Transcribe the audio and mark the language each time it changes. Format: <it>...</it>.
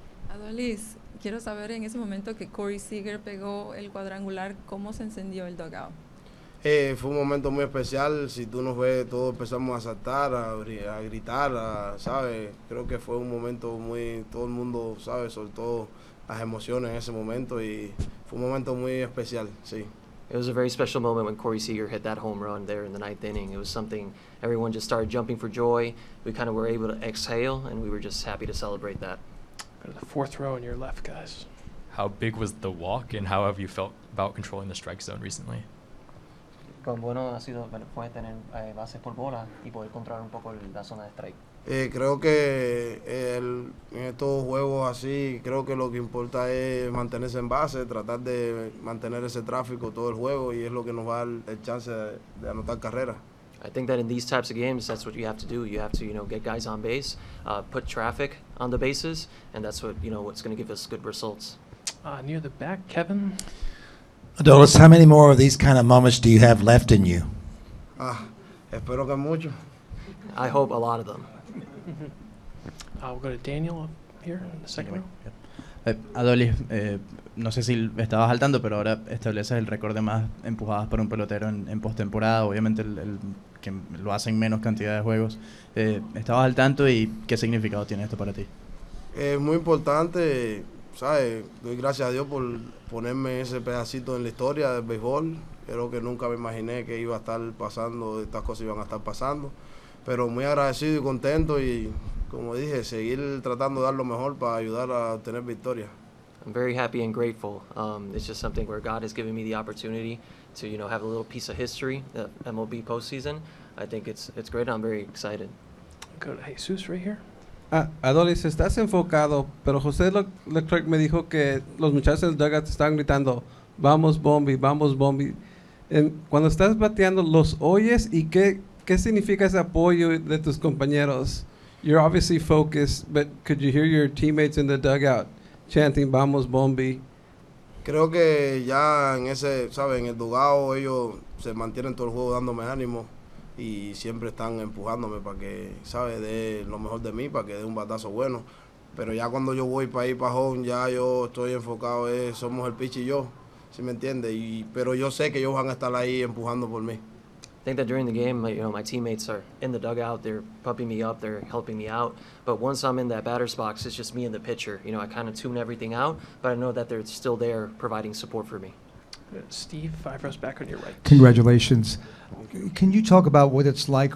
<es>Adolis, quiero saber en ese momento que Corey Seager pegó el cuadrangular, ¿cómo se encendió el dugout? Fue un momento muy especial. Si tú nos ves, todos empezamos a saltar, a gritar, ¿sabes? Creo que fue un momento muy, todo el mundo, ¿sabes?, soltó las emociones en ese momento y fue un momento muy especial, sí.</es> <en>It was a very special moment when Corey Seager hit that home run there in the ninth inning. It was something, everyone just started jumping for joy. We kind of were able to exhale and we were just happy to celebrate that. Go to the fourth row on your left, guys. How big was the walk and how have you felt about controlling the strike zone recently?</en> <es>Bueno, ha sido fue tener bases por bola y poder controlar un poco la zona de strike. Creo que en estos juegos así, creo que lo que importa es mantenerse en base, tratar de mantener ese tráfico todo el juego y es lo que nos va el chance de anotar carrera.</es> <en>I think that in these types of games, that's what you have to do. You have to, you know, get guys on base, put traffic on the bases, and that's what, you know, what's going to give us good results. Near the back, Kevin. Adolis, how many more of these kind of moments do you have left in you?</en> <es>Espero que mucho.</es> <en>I hope a lot of them. We'll go to Daniel up here in the second row.</en> <es>Adolis, no sé si estabas saltando, pero ahora estableces el récord de más empujadas por un pelotero en postemporada. Obviamente el que lo hace en menos cantidad de juegos. ¿Estabas al tanto y qué significado tiene esto para ti? Es muy importante. ¿Sabes? Doy gracias a Dios por ponerme ese pedacito en la historia del béisbol. Creo que nunca me imaginé que iba a estar pasando, estas cosas iban a estar pasando. Pero muy agradecido y contento y, como dije, seguir tratando de dar lo mejor para ayudar a obtener victoria.</es> <en>I'm very happy and grateful. It's just something where God has given me the opportunity to, you know, have a little piece of history, the MLB postseason. I think it's great. I'm very excited. Go to Jesus right here.</en> <es>Adolis, estás enfocado, pero José Leclerc me dijo que los muchachos del dugout están gritando, vamos Bombi, vamos Bombi. Cuando estás bateando, ¿los oyes? ¿Y qué significa ese apoyo de tus compañeros?</es> <en>You're obviously focused, but could you hear your teammates in the dugout chanting,</en> <es>vamos Bombi? Creo que ya en ese, ¿sabes? En el dugado ellos se mantienen todo el juego dándome ánimo y siempre están empujándome para que, ¿sabes? De lo mejor de mí, para que dé un batazo bueno. Pero ya cuando yo voy para ir para home, ya yo estoy enfocado, somos el pitch y yo, ¿sí me entiendes? Pero yo sé que ellos van a estar ahí empujando por mí.</es> <en>I think that during the game, you know, my teammates are in the dugout, they're pumping me up, they're helping me out. But once I'm in that batter's box, it's just me and the pitcher. You know, I kind of tune everything out, but I know that they're still there providing support for me. Steve, five rows back on your right. Congratulations. Can you talk about what it's like?</en>